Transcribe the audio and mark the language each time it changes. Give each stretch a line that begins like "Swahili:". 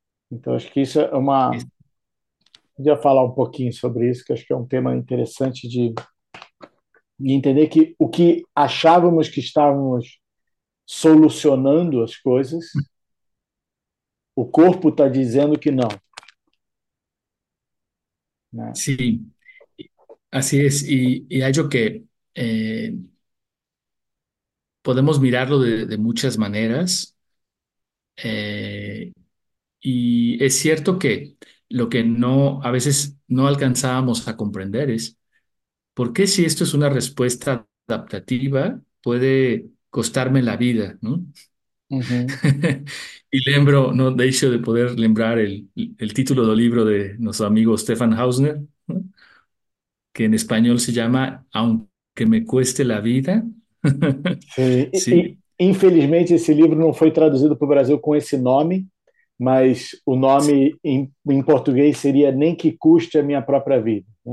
Portuguese: Então, acho que isso é uma. Podia falar um pouquinho sobre isso, que acho que é um tema interessante de entender que o que achávamos que estávamos solucionando as coisas, o corpo está dizendo que não, né?
Spanish: Sí, así es. Y hay algo que podemos mirarlo de muchas maneras. Y es cierto que lo que no a veces no alcanzábamos a comprender es por qué si esto es una respuesta adaptativa puede costarme la vida, ¿no? Y
Portuguese: lembro,
Spanish: no de hecho de poder
Portuguese: lembrar
Spanish: el título del libro de nuestro amigo Stefan Hausner, ¿no? Que en español se llama Aunque me cueste la vida.
Portuguese: Sim.
Spanish: Sí.
Portuguese: E, infelizmente, esse livro não foi traduzido para o Brasil com esse nome, mas o nome em português seria Nem que Custe a Minha Própria Vida.